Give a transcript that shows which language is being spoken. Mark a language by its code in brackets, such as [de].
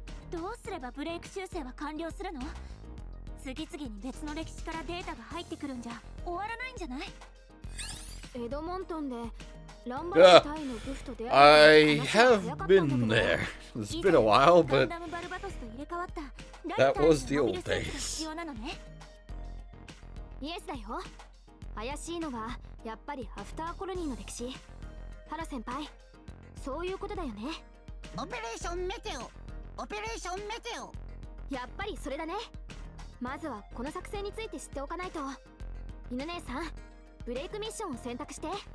[ja] どうすればブレイク修正は完了するの？次々に別の歴史からデータが入ってくるんじゃ終わらないんじゃない？エドモントンでランバルタイのブフと出会 [en] い、I have been there. It's been a while, but that was the old days. [ja] イエスだよ。怪しいのはやっぱりアフターコロニーの歴史。ハラ先輩、そういうことだよね。オペレーションメテオ、オペレーションメテオ。やっぱりそれだね。まずはこの作戦について知っておかないと。犬姉さん、ブレイクミッションを選択して。